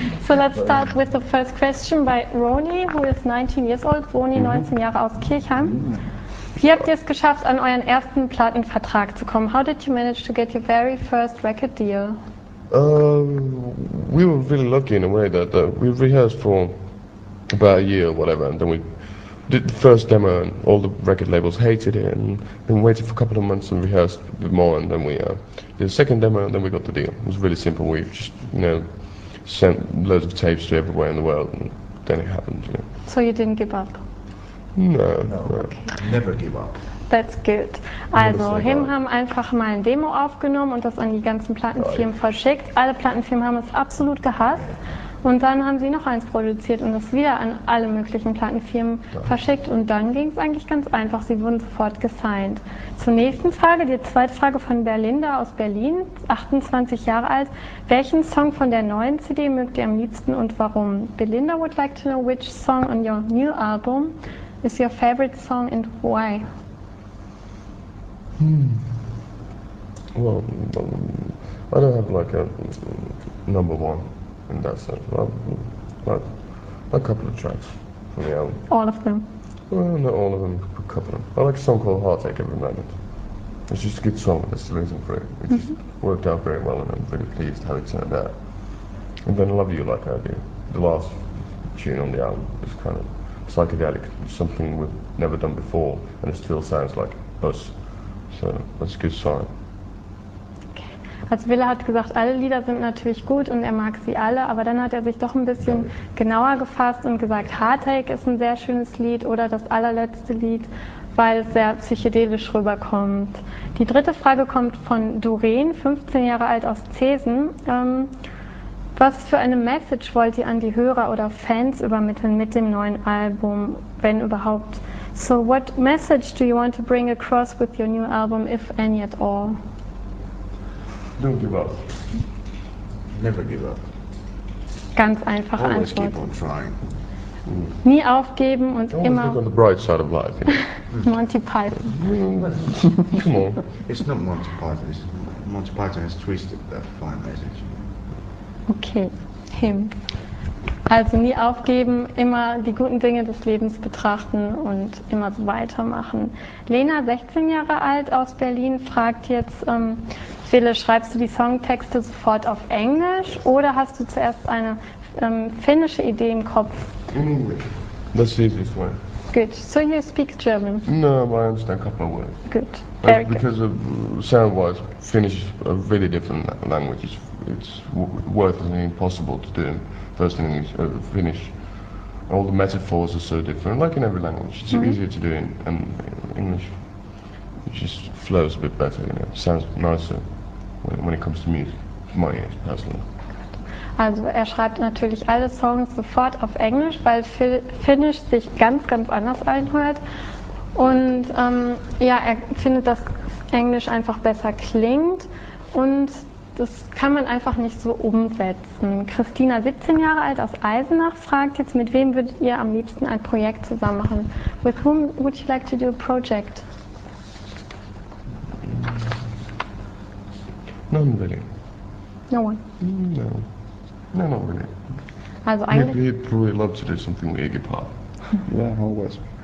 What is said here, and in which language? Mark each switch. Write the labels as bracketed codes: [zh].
[en] So let's start with the first question by Roni, who is 19 years old. [de] Roni, 19 Jahre aus Kirchheim. Wie habt ihr es geschafft, an euren ersten Plattenvertrag zu kommen? [en] How did you manage to get your very first record deal? We were really lucky in a way that we rehearsed for about a year or whatever, and then we did the first demo and all the record labels hated it, and then waited for a couple of months and rehearsed a bit more, and then we did the second demo and then we got the deal. It was really simple. We just, you know, sent loads of tapes to everywhere in the world, and then it happened. You know. So you didn't give up? No. Okay. Never give up. That's good. [de] Also, Him haben einfach mal ein Demo aufgenommen und das an die ganzen Plattenfirmen verschickt. Alle Plattenfirmen haben es absolut gehasst. Und dann haben sie noch eins produziert und es wieder an alle möglichen Plattenfirmen verschickt. Und dann ging es eigentlich ganz einfach. Sie wurden sofort gesigned. Zur nächsten Frage, die zweite Frage von Berlinda aus Berlin, 28 Jahre alt. Welchen Song von der neuen CD mögt ihr am liebsten und warum? [en] Berlinda would like to know which song on your new album is your favorite song and why? Well, I don't have like a number one in that sense, but a couple of tracks from the album. All of them? Well, not all of them, a couple of them. I like a song called Heartache Every Moment. It's just a good song, that's the reason for it. It just worked out very well and I'm really pleased how it turned out. And then Love You Like I Do. The last tune on the album is kind of psychedelic, something we've never done before, and it still sounds like us. So, that's a good song. Okay. [de] Also Wille hat gesagt, alle Lieder sind natürlich gut und er mag sie alle, aber dann hat er sich doch ein bisschen genauer gefasst und gesagt, Heartache ist ein sehr schönes Lied oder das allerletzte Lied, weil es sehr psychedelisch rüberkommt. Die dritte Frage kommt von Doreen, 15 Jahre alt aus Zesen. Was für eine Message wollt ihr an die Hörer oder Fans übermitteln mit dem neuen Album, wenn überhaupt? [en] So what message do you want to bring across with your new album, if any at all? Don't give up. Never give up. [de] Ganz einfache [en] Always [de] Antwort. [en] Always keep on trying. [de] Nie aufgeben und [en] Always [de] immer... [en] Always look on the bright side of life. You know? Monty Python. Come on. It's not Monty Python. It's Monty Python has twisted that fine message. Okay. Him. [de] Also nie aufgeben, immer die guten Dinge des Lebens betrachten und immer so weitermachen. Lena, 16 Jahre alt, aus Berlin, fragt jetzt, Wille, schreibst du die Songtexte sofort auf Englisch oder hast du zuerst eine finnische Idee im Kopf? [en] In English. That's the easiest way. Good. So you speak German? No, but I understand a couple of words. Good. Because of sound-wise, Finnish is a really different language. It's worth it and impossible to do. First in English, Finnish, all the metaphors are so different, like in every language, it's easier to do in English, it just flows a bit better, you know, sounds nicer when it comes to music, for my ears, personally. [de] Also er schreibt natürlich alle Songs sofort auf Englisch, weil Finnisch sich ganz, ganz anders anhört und ja, er findet, dass Englisch einfach besser klingt und das kann man einfach nicht so umsetzen. Christina, 17 Jahre alt, aus Eisenach, fragt jetzt, mit wem würdet ihr am liebsten ein Projekt zusammen machen? [en] With whom would you like to do a project? None really. No one? No, not really. [de] Also eigentlich... [en] Maybe he'd probably love to do something with Iggy Pop. Yeah, always.